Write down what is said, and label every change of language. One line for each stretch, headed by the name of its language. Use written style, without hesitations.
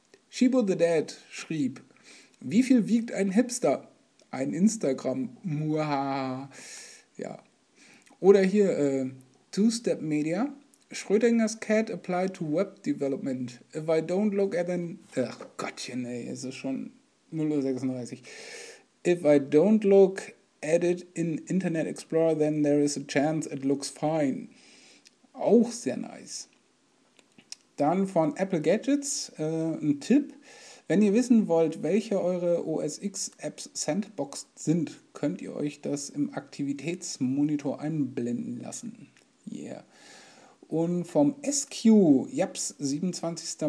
German: Shibu the Dead schrieb: Wie viel wiegt ein Hipster? Ein Instagram. Muhaha. Ja. Oder hier
English: Two-Step Media. Schrödingers Cat applied to Web Development. If I don't look at an.
German: Ach Gottchen, ey, es ist schon 0:36.
English: If I don't look at it in Internet Explorer, then there is a chance it looks fine.
German: Auch sehr nice. Dann von Apple Gadgets ein Tipp. Wenn ihr wissen wollt, welche eure OS X Apps sandboxed sind, könnt ihr euch das im Aktivitätsmonitor einblenden lassen. Yeah. Und vom SQ, japs, 27.